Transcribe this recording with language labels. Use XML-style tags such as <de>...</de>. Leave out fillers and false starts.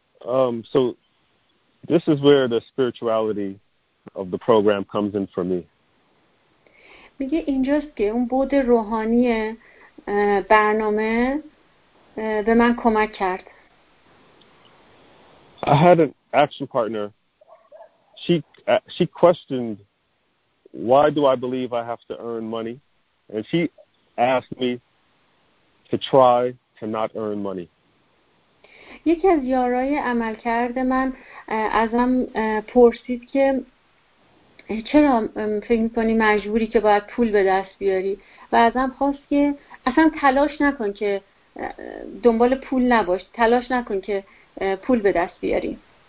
<en>So this is where the spirituality of the program comes in for me.</en> <fa>میگه اینجاست که اون بُعد روحانی برنامه به من کمک کرد.</fa> <en>I had an action partner. She questioned why do I believe I have to earn money? And she asked me to try to not earn money.</en> <fa>یکی از یارای عمل کرده من ازم پرسید که چرا فکر میکنی مجبوری که باید پول به دست بیاری و ازم خواست که اصلا تلاش نکن که دنبال پول نباش، تلاش نکن که پول به دست بیاری.</fa>